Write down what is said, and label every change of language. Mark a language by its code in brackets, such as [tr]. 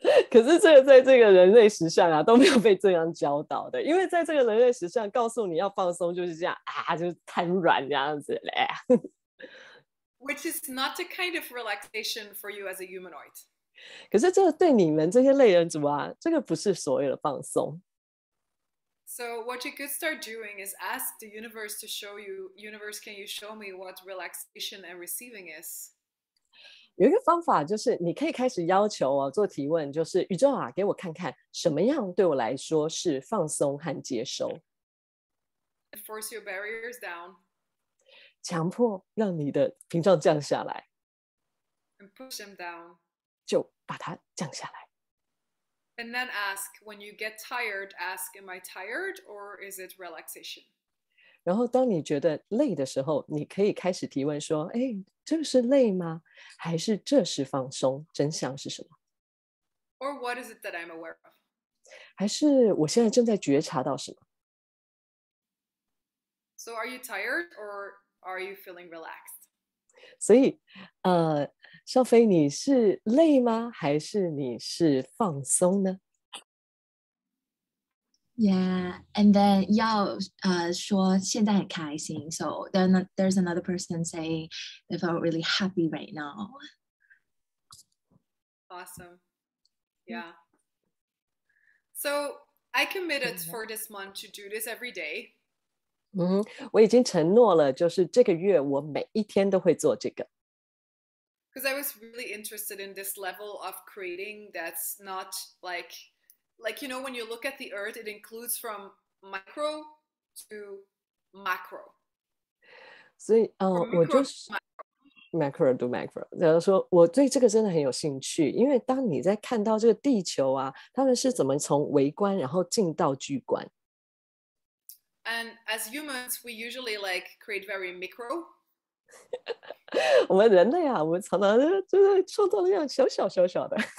[zh] 可是这个在这个人类史上啊都没有被这样教导的，因为在这个人类史上，告诉你要放松就是这样啊，就是瘫软这样子嘞。 [en] Which is not a kind of relaxation for you as a humanoid. [zh] 可是这个对你们这些类人族啊，这个不是所谓的放松。 [en] So what you could start doing is ask the universe to show you, universe, can you show me what relaxation and receiving is? [zh] 有一个方法就是你可以开始要求我做提问，就是宇宙啊，给我看看什么样对我来说是放松和接收。 [en] Force your barriers down. [zh] 强迫让你的屏障降下来。 [en] And push them down. [zh] 就把它降下来。 [en] And then ask, when you get tired, ask, am I tired or is it relaxation? [zh] 然后当你觉得累的时候，你可以开始提问说，哎，这是累吗？还是这是放松？真相是什么？ [en] Or what is it that I'm aware of? [zh] 还是我现在正在觉察到什么？ [en] So are you tired or are you feeling relaxed? [zh] 所以，少飞，你是累吗？还是你是放松呢？ [en] Yeah, and then [zh] 要说现在很开心。 [en] So then there's another person saying they felt really happy right now. Awesome. Yeah. So I committed for this month to do this every day. [zh] 我已经承诺了，就是这个月我每一天都会做这个。 [en] Because I was really interested in this level of creating that's not like, you know, when you look at the earth, it includes from micro to macro. [zh] 所以，我就是 [en] macro to macro. [zh] 然后说，我对这个真的很有兴趣，因为当你在看到这个地球啊，他们是怎么从微观然后进到巨观。 [en] And as humans, we usually like create very micro. [zh] 我们人类啊，我们常常就是创造力量小小小小的。